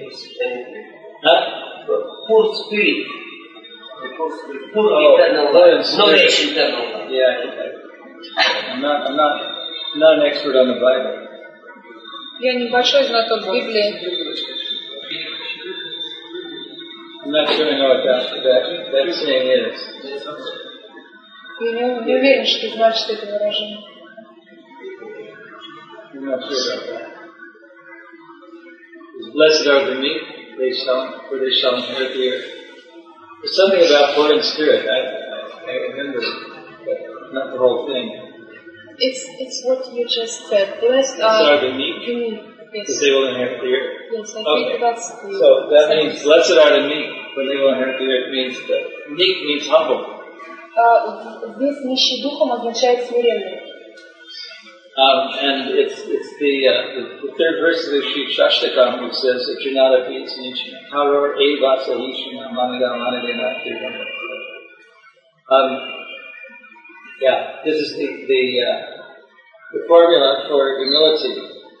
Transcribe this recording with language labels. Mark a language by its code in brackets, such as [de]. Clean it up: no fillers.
[en] Poor spirit. Poor internal life. Knowledge internal life. Yeah, okay. I'm not an expert on the Bible. [ru] Я небольшой знаток Библии. [en] I'm not sure I know what that saying is. [ru] Я не уверен, что значит это выражение. [en] Blessed are the meek, for they shall inherit the earth. There's something about poor in spirit. I remember, but not the whole thing. It's what you just said. Blessed are the meek, yes. For they will inherit the earth. Yes, I think that's the. So that sense. Means blessed are the meek, for they will inherit the earth. Means that meek means humble. This [ru] нищий духом означает смиренный. [en] And it's the third verse of the Sri Shashtakam, which says, if you're not at peace, Nishina, Haror, Evasa, Nishina, Manada, Manade, Nakti, Vandana. Yeah, this is the formula for humility.